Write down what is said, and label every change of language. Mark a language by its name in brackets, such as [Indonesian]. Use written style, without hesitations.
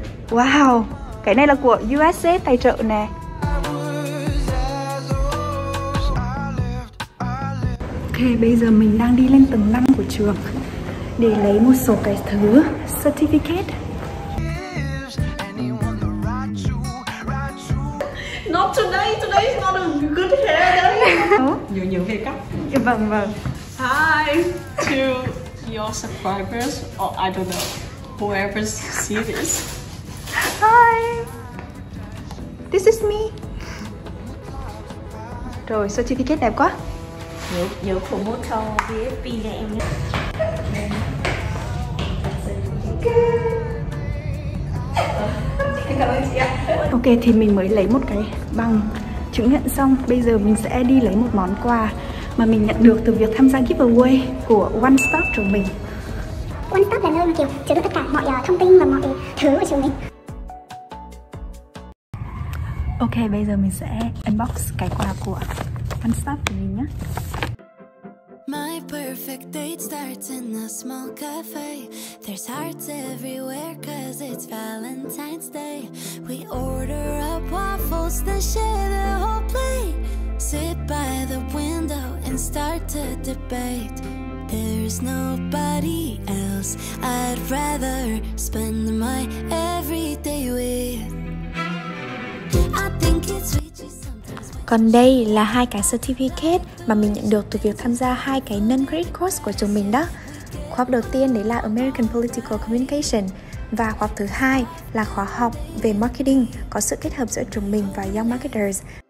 [Vietnamese] Wow, cái này là của USA tài trợ nè. Ok, bây giờ mình đang đi lên tầng 5 của trường để lấy một số cái thứ certificate. [English] Not today, today is not a good hair day. [Vietnamese] Nhiều nhiều hair cắt. Vâng vâng. [English] Hi to your subscribers, or I don't know, whoever see this. Hi. This is me. [Vietnamese] Rồi, certificate đẹp quá. Nhớ nhớ promote cho VIP nè em nhé. Ok, thì mình mới lấy một cái bằng chứng nhận xong. Bây giờ mình sẽ đi lấy một món quà mà mình nhận được từ việc tham gia giveaway của One Stop trường mình. One Stop là nơi kiểu chứa tất cả mọi thông tin và mọi thứ của trường mình. Ok, bây giờ mình sẽ unbox cái quà của One Stop của mình nhé. [English] Perfect date starts in a small cafe. There's hearts everywhere 'cause it's Valentine's Day. We order up waffles, then share the whole plate. Sit by the window and start to debate. There's nobody else I'd rather spend my everyday with. I think it's reaching some. [Vietnamese] Còn đây là hai cái certificate mà mình nhận được từ việc tham gia hai cái non-credit course của trường mình đó. Khóa học đầu tiên đấy là American Political Communication và khóa học thứ hai là khóa học về marketing có sự kết hợp giữa trường mình và Young Marketers.